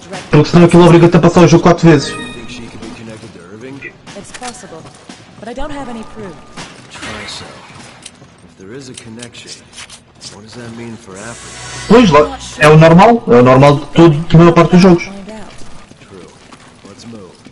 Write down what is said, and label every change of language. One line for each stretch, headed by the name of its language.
Portuguese: Porque senão aquilo obriga-te a passar o jogo 4 vezes.
English: It's possible, but I don't have any proof. Try so. If there is a connection, what does that mean for Africa?
Portuguese: Pois lá, é o normal. É o normal de tudo, de maior parte dos jogos.
English: True. Let's move.